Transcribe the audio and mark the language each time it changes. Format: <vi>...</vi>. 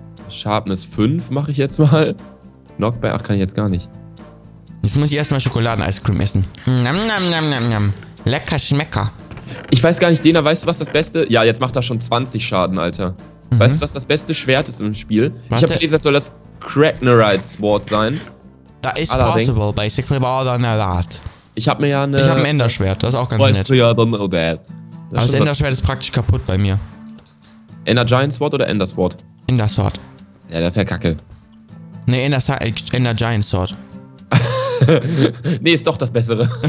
<de>Sharpness 5 mache ich jetzt mal. Knockback, ach, kann ich jetzt gar nicht. Jetzt muss ich erstmal Schokoladen-Eiscreme essen. Nam, nam, nam, nam, nam. Lecker Schmecker. Ich weiß gar nicht, Dena, weißt du, was das beste... Ja, jetzt macht er schon 20 Schaden, Alter. Mhm. Weißt du, was das beste Schwert ist im Spiel? Warte. Ich habe gelesen, das soll das Cracknerite Sword sein.</de> <en>That is allerdings possible, basically, but I don't know that.</en> <de>Ich habe mir ja eine... Ich habe ein Enderschwert, das ist auch ganz weißt nett. Weißt du, ja,</de> <en>don't know that.</en> <de>Das Enderschwert ist praktisch kaputt bei mir. Endergiant Sword oder Ender Sword? Ender Sword. Ja, das ist ja kacke. Nee, Endergiant Sword. Nee, ist doch das Bessere.</de>